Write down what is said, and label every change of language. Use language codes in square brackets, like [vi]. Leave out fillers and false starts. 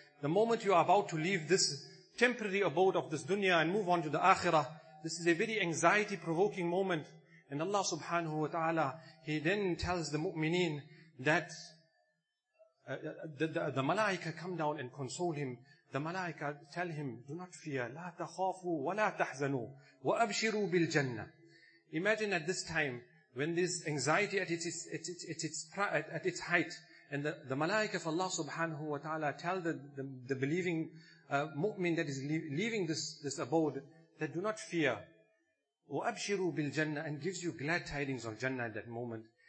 [en] The moment you are about to leave this temporary abode of this dunya and move on to the akhirah, this is a very anxiety-provoking moment. And Allah subhanahu wa ta'ala, He then tells the mu'mineen that the malaika come down and console him. The malaika tell him, do not fear. [ar] لا تخافوا ولا تحزنوا وأبشروا بالجنة. [en] Imagine at this time, when this anxiety at its height, And the malaika of Allah subhanahu wa ta'ala tell the believing mu'min that is leaving this abode that do not fear. [ar] وَأَبْشِرُوا بِالْجَنَّةِ [en] and gives you glad tidings of Jannah at that moment.